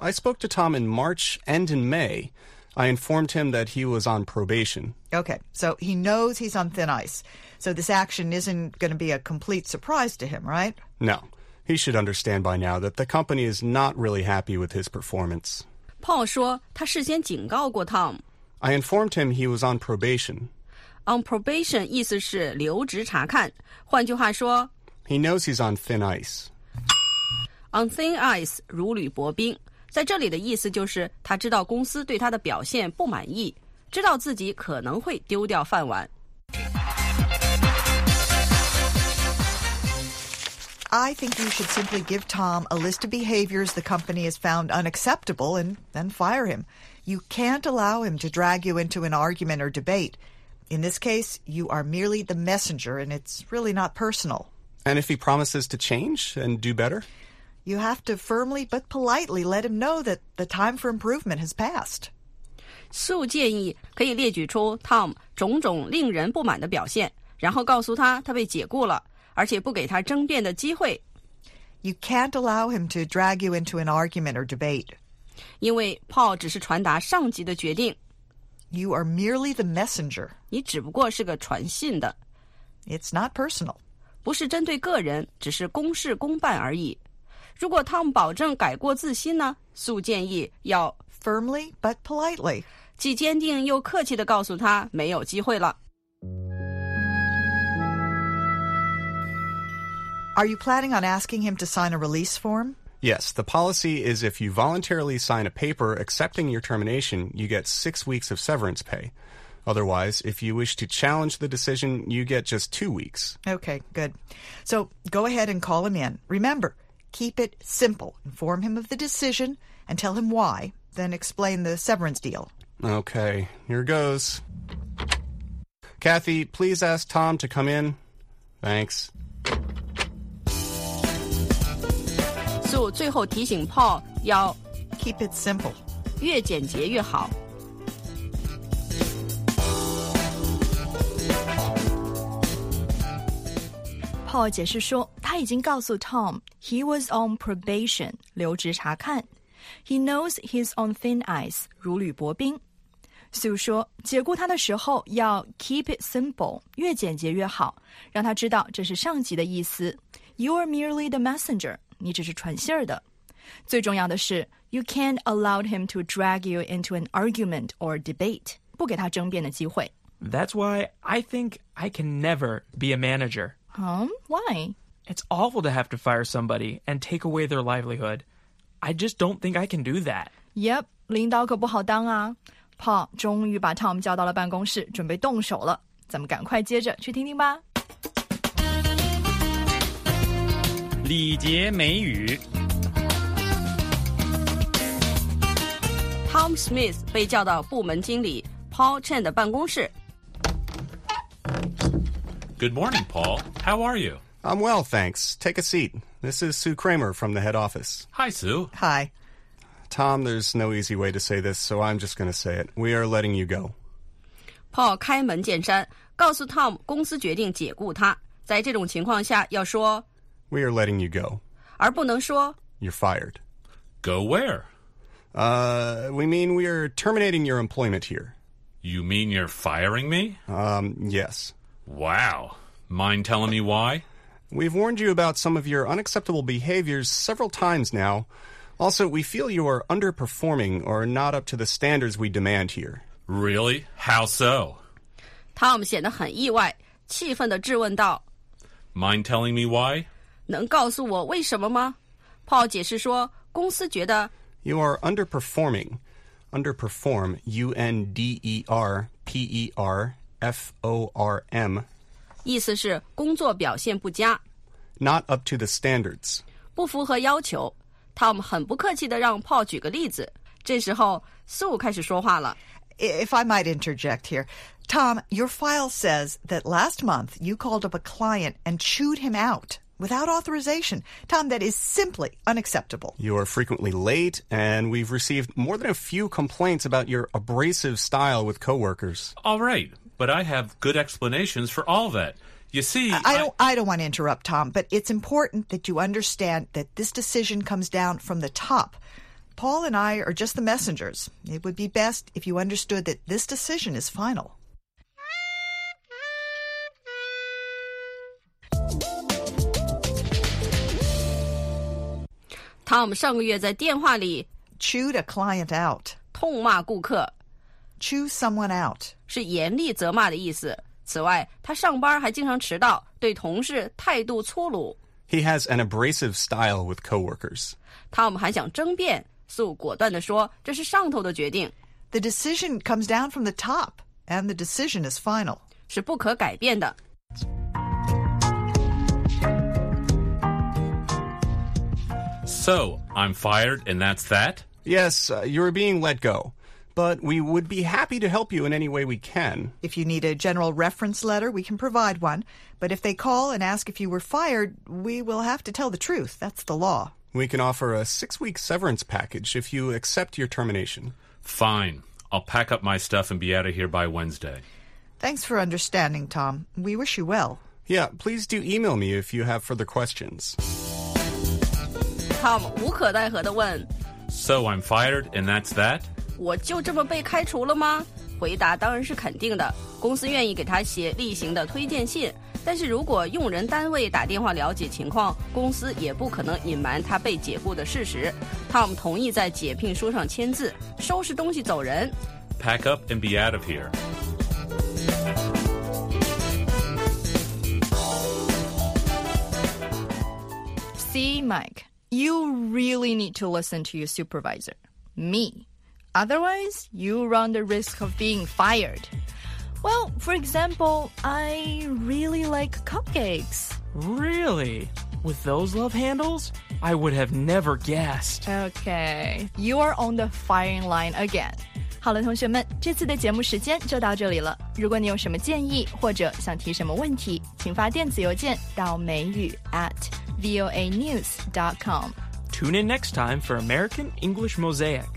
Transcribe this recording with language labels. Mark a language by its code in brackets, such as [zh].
[en] I spoke to Tom in March and in May. I informed him that he was on probation. Okay, so he knows he's on thin ice. So this action isn't going to be a complete surprise to him, right? No, he should understand by now that the company is not really happy with his performance. [zh] Paul 说他事先警告过 Tom。 [en] I informed him he was on probation. On probation [zh] 意思是留职查看。换句话说 [en] He knows he's on thin ice. On thin ice, [zh] 如履薄冰。在这里的意思就是他知道公司对他的表现不满意，知道自己可能会丢掉饭碗。 [en] I think you should simply give Tom a list of behaviors the company has found unacceptable and then fire him. You can't allow him to drag you into an argument or debate. In this case, you are merely the messenger, and it's really not personal. And if he promises to change and do better? You have to firmly but politely let him know that the time for improvement has passed. [zh] Sue 建议可以列举出 Tom 种种令人不满的表现，然后告诉他他被解雇了，而且不给他争辩的机会。 [en] You can't allow him to drag you into an argument or debate. [zh] 因为 Paul 只是传达上级的决定。 [en] You are merely the messenger. [zh] 你只不过是个传信的。 [en] It's not personal. [zh] 不是针对个人，只是公事公办而已。如果 Tom 保证改过自新呢？ Sue 建议要 [en] firmly but politely. [zh] 既坚定又客气地告诉他没有机会了。 [en] Are you planning on asking him to sign a release form? Yes, the policy is if you voluntarily sign a paper accepting your termination, you get 6 weeks of severance pay. Otherwise, if you wish to challenge the decision, you get just 2 weeks. Okay, good. So go ahead and call him in. Remember, keep it simple. Inform him of the decision and tell him why, then explain the severance deal. Okay, here goes. Kathy, please ask Tom to come in. Thanks. [zh] 最后提醒 Paul 要 [en] keep it simple， [zh] 越简洁越好。 Paul 解释说，他已经告诉 Tom [en] he was on probation， [zh] 留职查看。 [en] He knows he's on thin ice， [zh] 如履薄冰。 Sue 说，解雇他的时候要 [en] keep it simple， [zh] 越简洁越好，让他知道这是上级的意思。 [en] You are merely the messenger. [zh] 你只是传信儿的。最重要的是 [en] ，you can't allow him to drag you into an argument or debate， [zh] 不给他争辩的机会。 [en] That's why I think I can never be a manager. Why? It's awful to have to fire somebody and take away their livelihood. I just don't think I can do that. Yep， [zh] 领导可不好当啊。Paul 终于把 Tom 叫到了办公室，准备动手了。咱们赶快接着去听听吧。礼节美语 Tom Smith 被叫到部门经理 Paul Chen 的办公室 [en] Good morning, Paul. How are you? I'm well, thanks. Take a seat. This is Sue Kramer from the head office. Hi, Sue. Hi. Tom, there's no easy way to say this, so I'm just going to say it. We are letting you go. [zh] Paul 开门见山，告诉 Tom 公司决定解雇他。在这种情况下，要说 [en] We are letting you go. [zh] 而不能说 [en] You're fired. Go where? We mean we are terminating your employment here. You mean you're firing me? Yes. Wow. Mind telling me why? We've warned you about some of your unacceptable behaviors several times now. Also, we feel you are underperforming or not up to the standards we demand here. Really? How so? [zh] Tom 显得很意外，气愤地质问道 [en] Mind telling me why? [zh] 能告诉我为什么吗 ？Paul 解释说，公司觉得 [en] You are underperforming. Underperform, U-N-D-E-R-P-E-R, form. [zh] 意思是工作表现不佳。 [en] Not up to the standards. [zh] 不符合要求。 Tom 很不客气地让 Paul 举个例子。这时候 Sue 开始说话了。 [en] If I might interject here, Tom, your file says that last month you called up a client and chewed him out. Without authorization. Tom, that is simply unacceptable. You are frequently late, and we've received more than a few complaints about your abrasive style with coworkers. All right, but I have good explanations for all that. You see, I don't want to interrupt, Tom, but it's important that you understand that this decision comes down from the top. Paul and I are just the messengers. It would be best if you understood that this decision is final. [zh] Tom 上个月在电话里 [en] chewed a client out, [zh] 痛骂顾客 [en] chew someone out, [zh] 是严厉责骂的意思。此外，他上班还经常迟到，对同事态度粗鲁。 [en] He has an abrasive style with coworkers. [zh] Tom 还想争辩，素果断地说这是上头的决定。 [en] The decision comes down from the top, and the decision is final. [zh] 是不可改变的。 [en] So, I'm fired and that's that? Yes, you're being let go. But we would be happy to help you in any way we can. If you need a general reference letter, we can provide one. But if they call and ask if you were fired, we will have to tell the truth. That's the law. We can offer a 6-week severance package if you accept your termination. Fine. I'll pack up my stuff and be out of here by Wednesday. Thanks for understanding, Tom. We wish you well. Yeah, please do email me if you have further questions. [zh] Tom 无可奈何地问 [en] So I'm fired and that's that? [zh] 我就这么被开除了吗？回答当然是肯定的，公司愿意给他写例行的推荐信，但是如果用人单位打电话了解情况，公司也不可能隐瞒他被解雇的事实。 Tom 同意在解聘书上签字，收拾东西走人。 [en] Pack up and be out of here. See, Mike. You really need to listen to your supervisor, me. Otherwise, you run the risk of being fired. Well, for example, I really like cupcakes. Really? With those love handles? I would have never guessed. Okay, you are on the firing line again. [zh] 好了，同学们，这次的节目时间就到这里了。如果你有什么建议或者想提什么问题，请发电子邮件到美语@voanews.com. [en] Tune in next time for American English Mosaic.